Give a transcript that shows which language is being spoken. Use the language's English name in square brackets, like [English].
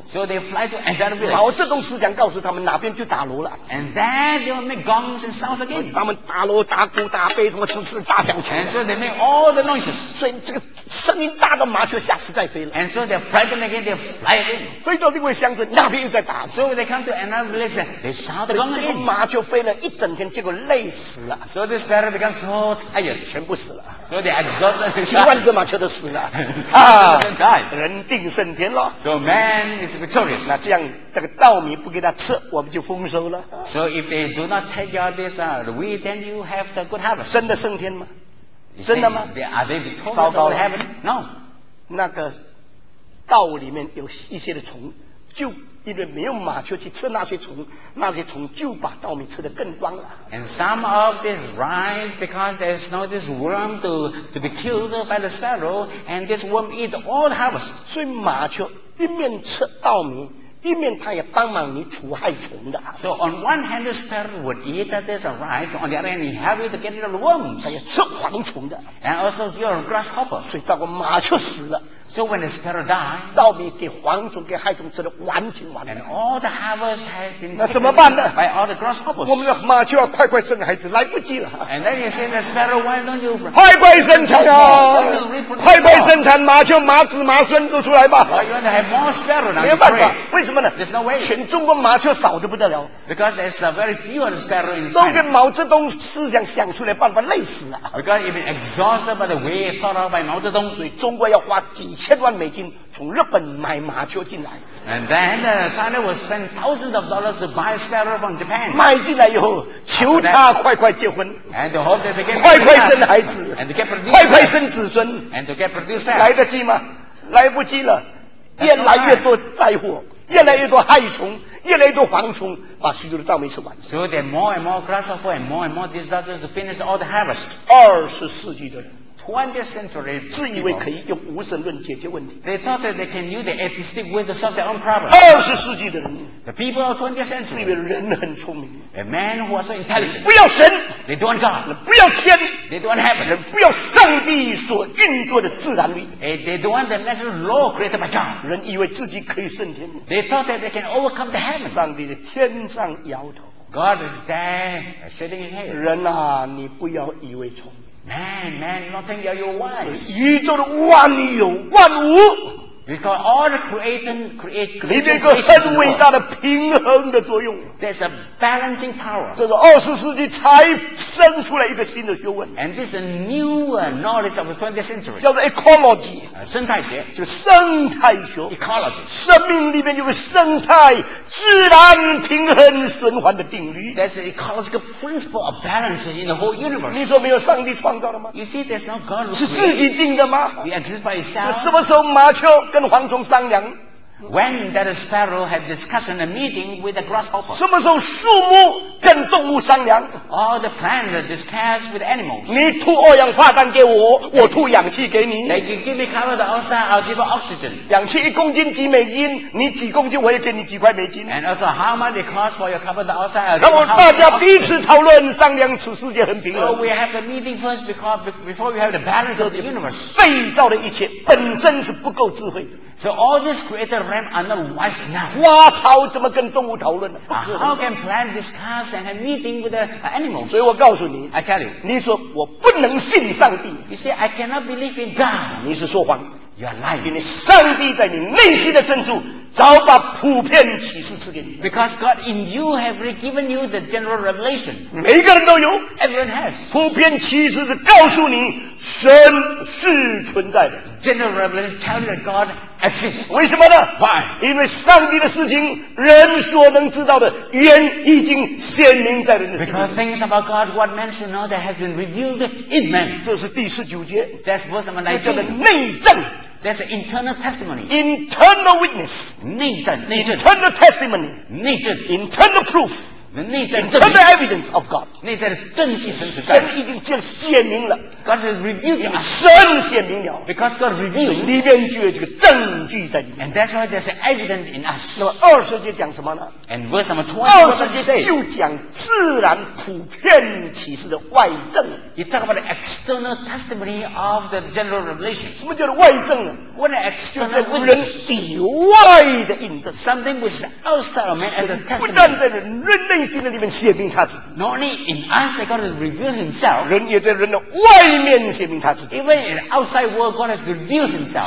[English] So they fly to another village. [Chinese] 毛泽东思想告诉他们哪边就打锣了。 [English] And then they'll make gongs and sounds again. [Chinese] 他们打锣打鼓打杯什么吃吃。大响 [English] 钱 ，so they make all the noises. [Chinese] 所以这个声音大到麻雀下次再飞了。 [English] And so they frighten again, they fly again. [Chinese] 飞到另外箱子，那边又在打。 [English] So they come to another village, they sound the gong again. [Chinese] 麻雀飞了一整天，结果累死了。 [English] So this sparrow becomes so tired, [Chinese] 全部死了。 [English] So they exhausted. [Chinese] 几万只麻雀都死了。哈，人定胜天了。 [English] So man is victorious. [Chinese] 那这样，这个稻米不给他吃，我们就丰收了。 [English] So if they do not take your this wheat, then you have the good harvest. [Chinese] 真的胜天吗？真的吗？ [English] Are they victorious over heaven? No. [Chinese] 那个稻里面有一些的虫，就因为没有麻雀去吃那些虫，那些虫就把稻米吃得更光了。 [English] And some of this rice, because there's no this worm to be killed by the sparrow, and this worm eat all the harvest. [Chinese] 所以麻雀一面吃稻米，一面他也帮忙你除害虫的。 [English] So on one hand, the sparrow would eat that there's a rice. On the other hand, he helped to get rid of the worms. [Chinese] 他也吃蝗虫的。 [English] And also you're a grasshopper. [Chinese] 所以照顾麻雀死了。 [English] So when the sparrow died, [Chinese] 稻米给蝗虫给害虫吃的完全完了。 [English] And all the harvest had been. [Chinese] 那怎么办呢？ [English] By all the grasshoppers. [Chinese] 我们的麻雀要快快生孩子，来不及了。 [English] And then you say the sparrow, why don't you? [Chinese] 快快生产啊！快快生产，麻雀麻子麻孙都出来吧。 [English] Well, you want to have more sparrow now? [Chinese] 没有办法，为什么？ [English] There's no way. [Chinese] 全中国麻雀少得不得了。 [English] Because there's a very few of the sparrow in China. [Chinese] 都跟毛泽东思想想出来办法累死了。 [English] Because even exhausted by the way thought out by 毛泽东， [Chinese] 所以中国要花几千万美金从日本买麻雀进来。 [English] And then China will spend thousands of dollars to buy sparrow from Japan. [Chinese] 买进来以后，求他快快结婚。 [English] And to hope that they get [Chinese] 快快生孩子。 [English] And to get produce. [Chinese] 快快生子孙。 [English] And to get produce. [Chinese] 来得及吗？来不及了，越来越多灾祸。越来越多害虫，越来越多蝗虫，把许多的稻米吃完。 [English] So there are more and more grasshoppers and more and more disasters to finish all the harvest. [Chinese] 二十世纪的人。 [English] 20th century, [Chinese] 自以为可以用无神论解决问题。 [English] They thought that they can use the atheistic way to solve their own problem. [Chinese] 二十世纪的人。 [English] The people of 20th century, [Chinese] 自以为人很聪明。 [English] A man who was so intelligent. [Chinese] 不要神。 [English] They don't want God. [Chinese] 不要天。 [English] They don't want heaven. [Chinese] 不要上帝所运作的自然力。 [English] They don't want the natural law created by God. [Chinese] 人以为自己可以胜天。 [English] They thought that they can overcome the heaven. [Chinese] 上帝的天上摇头。 [English] God is there, shaking his head. [Chinese] 人啊，你不要以为聪明。 [English] Man, you don't think you're your wife. [Chinese] 宇宙的万有万物 [English] because all the creation [Chinese] 里面有个很伟大的平衡的作用。 [English] There's a balancing power. [Chinese] 这个二十世纪才生出来一个新的学问。 [English] And this is a new knowledge of the 20th century. [Chinese] 叫做 ecology. 生态学。就生态学。 [English] Ecology. [Chinese] 生命里面有个生态自然平衡循环的定律。 [English] That's the ecological principle of balance in the whole universe. [Chinese] 你说没有上帝创造的吗？ [English] You see, there's no God. [Chinese] 是自己定的吗？ [English] We exist by itself. [Chinese] 什么时候麻雀跟蝗虫商量？ [English] When that sparrow had discussion a meeting with the grasshopper. [Chinese] 什么时候树木跟动物商量？ [English] All the plants discuss with animals. [Chinese] 你吐二氧化碳给我，我吐氧气给你。 [English] They give me carbon dioxide, I'll give you oxygen. [Chinese] 氧气一公斤几美金，你几公斤我也给你几块美金。 [English] And also how much it costs for your carbon dioxide, I'll give you carbon [Chinese] dioxide. 大家彼此讨论商量，使世界很平衡。 [English] So we have the meeting first before we have the balance of the universe. [Chinese] 被造的一切本身是不够智慧。 [English] So all this created Abraham are not wise enough. [Chinese] 花草怎么跟动物讨论呢？不可能。 [English] How can plant discuss and have meeting with the animals? [Chinese] 所以我告诉你 [English] ，I tell you， [Chinese] 你说我不能信上帝。 [English] You say I cannot believe in God。 [Chinese] 你是说谎。 [English] You are lying。 [Chinese] 因为上帝在你内心的深处早把普遍启示赐给你。 [English] Because God in you have given you the general revelation。 [Chinese] 每个人都有。 [English] Everyone has。 [Chinese] 普遍启示是告诉你神是存在的。 [English] General revelation tells you that God exists。 [Chinese] 为什么呢 [English] ？Why？ [Chinese] 因为上帝的事情，人所能知道的，原已经显明在人的心里。 [English] Because things about God, what men should know, that has been revealed in men。 [Chinese] 这是第十九节。 [English] That's verse number 19。 [Chinese] 这叫做内证。 [English] That's an internal testimony. Internal witness. [Chinese] 内证。内证。 [English] Internal testimony. [Chinese] 内证。 [English] Internal proof. [Chinese] 内证。 [English] Internal evidence of God. [Chinese] 内在的证据神实在。神已经就显明了。 [English] God has revealed it. [Chinese] 神显明了。 [English] Because God revealed. [Chinese] 里面就有这个证据在里面。 [English] And that's why there's an evidence in us. [Chinese] 那么二十节讲什么呢 [English] ？And verse number 20. [Chinese] 二十节就讲自然普遍启示的外证。 [English] He talks about the external testimony of the general revelation. [Chinese] 什么叫做外证呢 [English] ？What an external witness. [Chinese] 就在人以外的印证。 [English] Something which is outside of man and the testimony. [Chinese] 不但在人内心的里面显明他自己。 [English] Not only in us, that God has revealed himself. [Chinese] 人也在人的外面显明他自己。 [English] Even in the outside world, God has revealed himself.